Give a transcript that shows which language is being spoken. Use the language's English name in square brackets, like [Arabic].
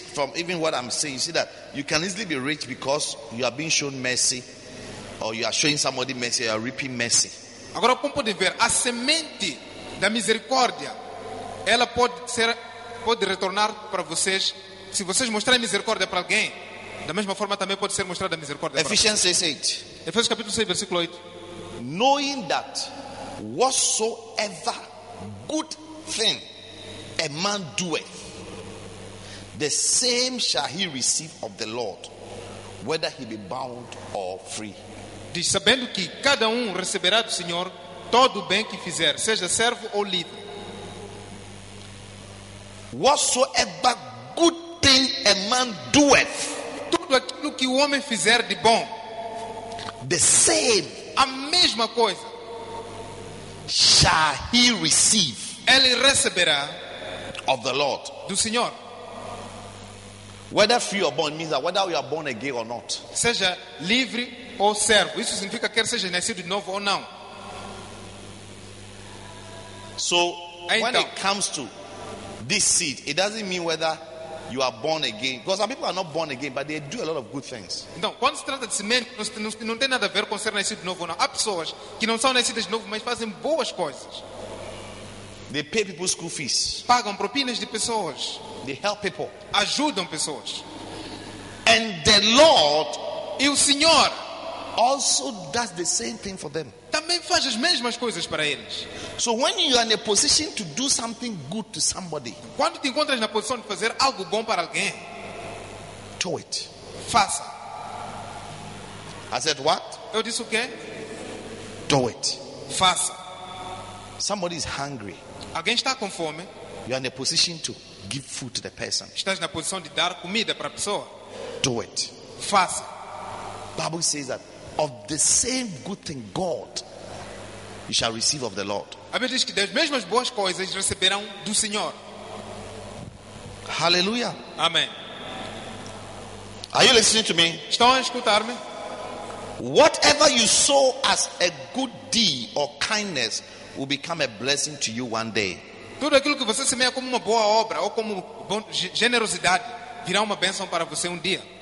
[English] From even what I'm saying, you see that you can easily be rich because you are being shown mercy, or you are showing somebody mercy, or you are reaping mercy. [Portuguese] Agora, como pode ver, a semente da misericórdia, ela pode ser, pode retornar para vocês. Se vocês mostrarem misericórdia para alguém, da mesma forma também pode ser mostrada misericórdia. [English] Ephesians 6:8. [Portuguese] Efésios capítulo 6, versículo 8. [English] Knowing that whatsoever good thing a man doeth, the same shall he receive of the Lord, whether he be bound or free. [Portuguese] De sabendo que cada receberá do Senhor todo o bem que fizer, seja servo ou livre. [English] Whatsoever good thing a man doeth, [Portuguese] tudo aquilo que o homem fizer de bom, [English] the same, [Portuguese] a mesma coisa, [English] shall he receive, [Portuguese] ele receberá [English] of the Lord, [Portuguese] do Senhor. [English] Whether free or bond means that whether you are born again or not, [Portuguese] seja livre ou servo, isso significa quer seja nascido de novo ou não. [English] So [Portuguese] então, [English] when it comes to this seed, it doesn't mean whether you are born again, because some people are not born again but they do a lot of good things. [Portuguese] Então, quando se trata de semente, não tem nada a ver com ser nascido de novo ou não. Há pessoas que não são nascidas de novo mas fazem boas coisas. [English] They pay people school fees. [Portuguese] Pagam propinas de pessoas. [English] They help people. [Portuguese] Ajudam pessoas. [English] And the Lord, [Portuguese] e o Senhor, [English] also does the same thing for them. [Portuguese] Também faz as mesmas coisas para eles. [English] So when you are in a position to do something good to somebody, [Portuguese] quando te encontras na posição de fazer algo bom para alguém, [English] do it. [Portuguese] Faça. [English] I said what? [Portuguese] Eu disse o quê? [English] Do it. [Portuguese] Faça. [English] Somebody is hungry. [Portuguese] Alguém está com fome. [English] You are in a position to give food to the person. [Portuguese] Estás na posição de dar comida para a pessoa. [English] Do it. [Portuguese] Faça. [English] Bible says that of the same good thing God you shall receive of the Lord. [Portuguese] A Bíblia diz que das mesmas boas coisas receberão do Senhor. [English] Hallelujah. Amen. Are you listening to me? [Portuguese] Estão a escutar-me? [English] Whatever you sow as a good deed or kindness will become a blessing to you one day. [Portuguese] Tudo aquilo que você semeia como uma boa obra ou como generosidade virá uma bênção para você dia.